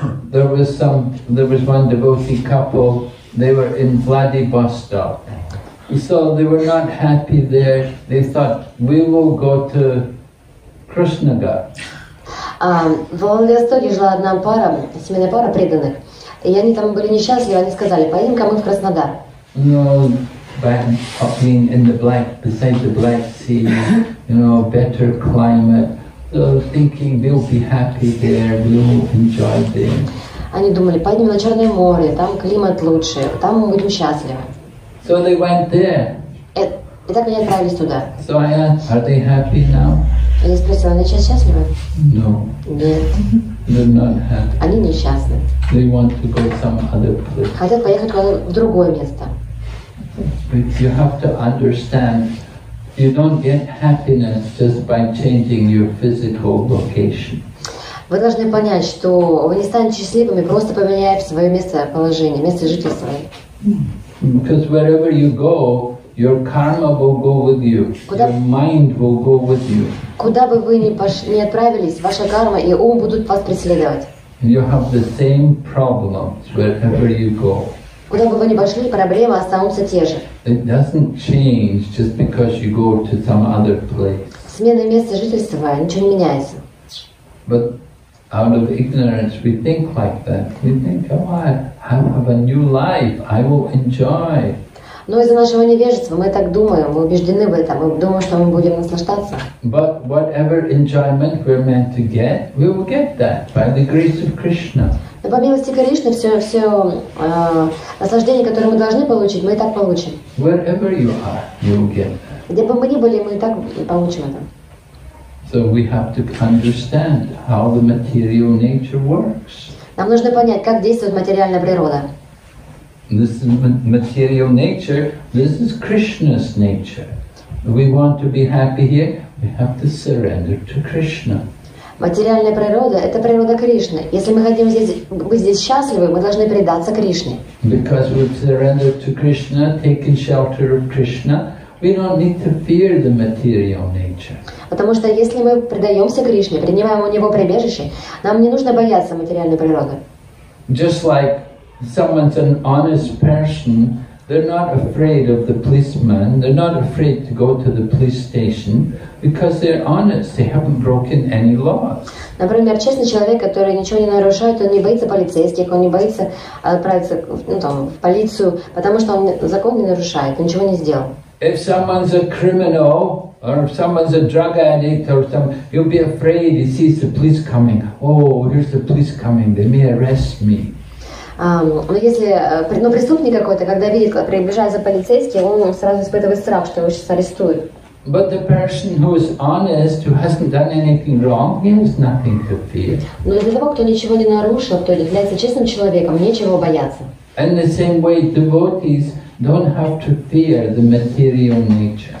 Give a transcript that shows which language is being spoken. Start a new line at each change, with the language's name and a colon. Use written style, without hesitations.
English: There was one devotee couple. They were in Vladivostok. So they were not happy there. They thought, we will go to Krishnagar.
Russian: В Владивостоке жила одна пара, семейная пара преданных. И они там были несчастливы, они сказали, поедем-ка мы в Краснодар.
English: No, but being in the black, beside the Black Sea, you know, better climate. So thinking, we'll be happy there, we'll enjoy there.
Russian: Они думали, поедем на Черное море, там климат лучше, там мы будем счастливы.
English: So they went there.
Russian: И так они отправились туда.
English: So I asked, are they happy now?
Russian: Я спросила, они сейчас счастливы?
English: No.
Russian: Нет.
English: They're not happy.
Russian: Они несчастны.
English: They want to go some other place.
Russian: Хотят поехать в другое место.
English: But you have to understand, you don't get happiness just by changing your physical location.
Russian: Вы должны понять, что вы не станете счастливыми, просто поменяв свое местоположение, место жительства.
English: Because wherever you go, your karma will go with you.
Russian: Куда,
English: your mind will go with you.
Russian: Куда бы вы ни отправились, ваша карма и ум будут вас преследовать.
English: You have the same problems wherever you go.
Russian: Куда бы вы ни пошли, проблемы останутся те же.
English: It doesn't change just because you go to some other place.
Russian: Смена места жительства ничего не меняется.
English: But out of ignorance, we think like that. We think, oh, I have a new life. I will enjoy.
Russian: Но из-за нашего невежества мы так думаем, мы убеждены в этом, мы думаем, что мы будем наслаждаться.
English: But whatever enjoyment we're meant to get, we will get that by the grace of Krishna.
Russian: Но по милости Кришны все наслаждение, которое мы должны получить, мы и так получим.
English: Wherever you are, you will get that.
Russian: Где бы мы ни были, мы и так получим это.
English: So we have to understand how the material nature works.
Russian: Нам нужно понять, как действует материальная природа.
English: This is material nature. This is Krishna's nature. We want to be happy here. We have to surrender to Krishna.
Russian: Материальная природа — это природа Кришны. Если мы хотим быть здесь счастливы, мы должны предаться Кришне.
English: Because we've surrendered to Krishna, taken shelter of Krishna, we don't need to fear the material nature.
Russian: Потому что если мы предаемся Кришне, принимаем у него прибежище, нам не нужно бояться материальной природы.
English: Just like someone's an honest person, they're not afraid of the policeman, they're not afraid to go to the police station, because they're honest, they haven't broken any laws.
Russian: Например, честный человек, который ничего не нарушает, он не боится полицейских, он не боится отправиться в полицию, потому что он закон не нарушает, ничего не сделал.
English: If someone's a criminal, or if someone's a drug addict, or some, you'll be afraid, he sees the police coming, oh, here's the police coming, they may arrest me.
Russian: Но преступник какой-то, когда видит, приближается полицейский, он сразу испытывает страх, что его сейчас арестуют.
English: But the person who is honest, who hasn't done anything wrong, he has nothing to fear.
Russian: Но для того, кто ничего не нарушил, кто является честным человеком, нечего бояться.
English: And the same way, devotees don't have to fear the material nature.